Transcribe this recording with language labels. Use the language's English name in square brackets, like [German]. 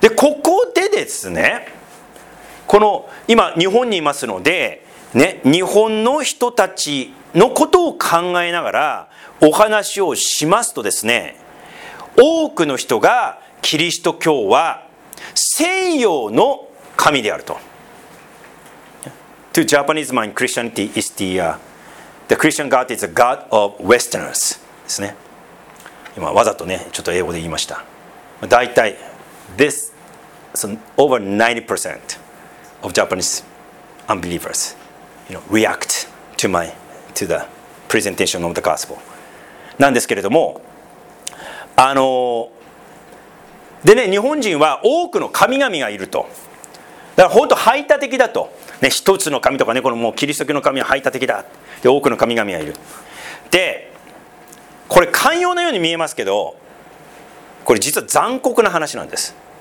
[Japanese] で、ここでですね、この今日本にいますので、ね、日本の人たちのことを考えながらお話をしますとですね、多くの人がキリスト教は西洋の神であると。 [English] To Japanese mind, Christianity is the, the Christian God is a God of Westerners [Japanese] ですね。今わざとね、ちょっと英語で言いました。だいたい [English] This is over 90% of Japanese unbelievers, you know, react to my to the presentation of the gospel [Japanese] なんですけれども、でね、日本人は多くの神々がいると。だから本当排他的だと、ね、一つの神とかね、このもうキリスト教の神は排他的だ。で、多くの神々がいる。で、これ寛容なように見えますけど、これ実は残酷な話なんです。